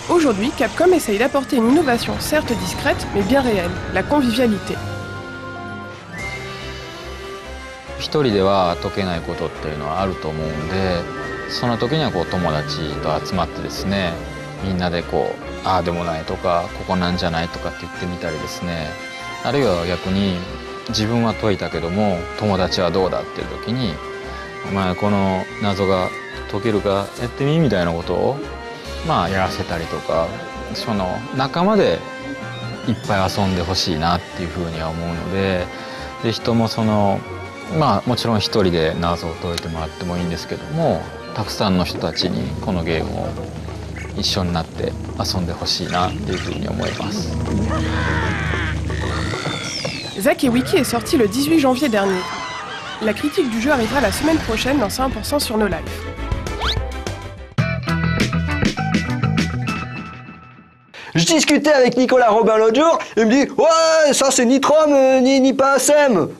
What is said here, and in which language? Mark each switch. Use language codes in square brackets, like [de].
[fr] Aujourd'hui, Capcom essaye d'apporter une innovation certes discrète, mais bien réelle, la convivialité. [ja] 一人では解けないことっていうのはあると思うんで、その時にはこう友達と集まってですね、みんなでこうああでもないとかここなんじゃないとかって言ってみたりですね、あるいは逆に自分は解いたけども友達はどうだっていう時に、お前この謎が解けるかやってみみたいなことをまあやらせたりとか、その仲間でいっぱい遊んでほしいなっていうふうには思うので、で人もそのまあもちろん一人で謎を解いてもらってもいいんですけども、たくさんの人たちにこのゲームを一緒になって遊んでほしいなっていうふうに思います。 [fr] Zack & Wiki est sorti le 18 janvier dernier. La critique du jeu arrivera la semaine prochaine dans 100% sur nos lives. Je discutais avec Nicolas Robin l'autre jour, il me dit « Ouais, ça c'est ni Trom, ni pas Sam !»